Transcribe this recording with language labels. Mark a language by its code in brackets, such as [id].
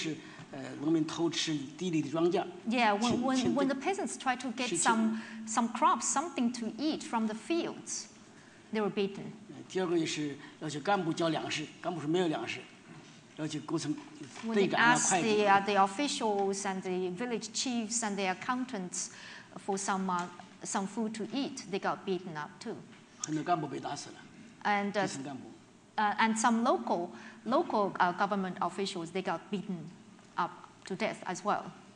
[zh] 或者是要散发消息啊，或者是要找东西吃的时候被打死的。打死一个是，农民偷吃地里的庄稼。 [en] Yeah, when the peasants try to get some crops, something to eat from the fields, they were beaten. [zh] 第二个也是要求干部交粮食，干部是没有粮食，要求构成对干的会计。 [en] When they ask the officials and the village chiefs and the accountants for some food to eat, they got beaten up too. [zh] 很多干部被打死了，基层干部。 [en] And some local government officials, they got beaten up to death as well.